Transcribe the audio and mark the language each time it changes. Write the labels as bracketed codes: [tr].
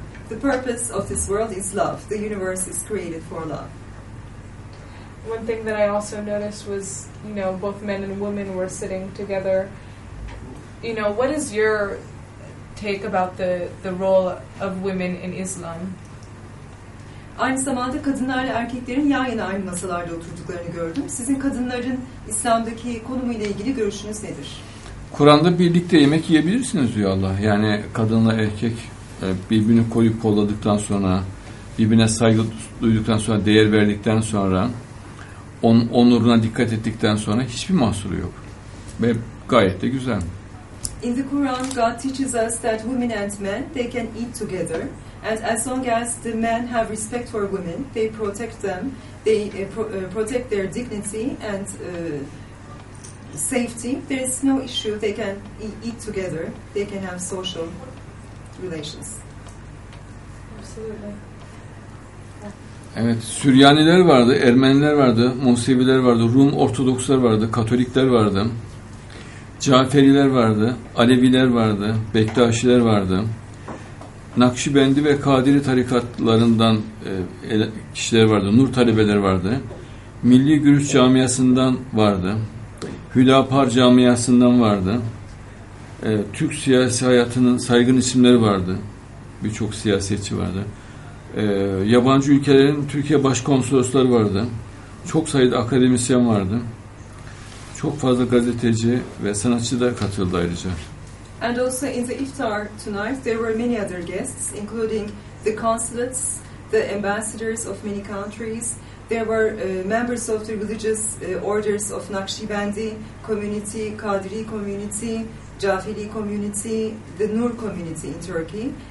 [en] The purpose of this world is love. The universe is created for love. One thing that I also noticed was, you know, both men and women were sitting together. You know, what is your take about the role of women in Islam? [tr] Aynı zamanda kadınlarla erkeklerin yan yana aynı masalarda oturduklarını gördüm. Sizin kadınların İslam'daki konumuyla ilgili görüşünüz nedir? Kur'an'da birlikte yemek yiyebilirsiniz diyor Allah. Yani kadınla erkek birbirini koyup kolladıktan sonra, birbirine saygı duyduktan sonra, değer verdikten sonra, onuruna dikkat ettikten sonra hiçbir mahsuru yok. Ve gayet de güzel. [en] In the Quran, God teaches us that women and men, they can eat together. And as long as the men have respect for women, they protect them, they protect their dignity and safety, there is no issue. They can eat together, they can have social relations. Absolutely. [tr] Evet, Süryaniler vardı, Ermeniler vardı, Museviler vardı, Rum Ortodokslar vardı, Katolikler vardı, Caferiler vardı, Aleviler vardı, Bektaşiler vardı. Nakşibendi ve Kadiri tarikatlarından kişiler vardı. Nur talebeleri vardı. Milli Gürüz Camiası'ndan vardı. Hüdapar Camiası'ndan vardı. Türk siyasi hayatının saygın isimleri vardı. Birçok siyasetçi vardı. Yabancı ülkelerin Türkiye Başkonsolosları vardı. Çok sayıda akademisyen vardı. Çok fazla gazeteci ve sanatçı da katıldı ayrıca. [en] And also in the iftar tonight, there were many other guests, including the consulates, the ambassadors of many countries. There were members of the religious orders of Naqshbandi community, Qadiri community, Jafiri community, the Nur community in Turkey.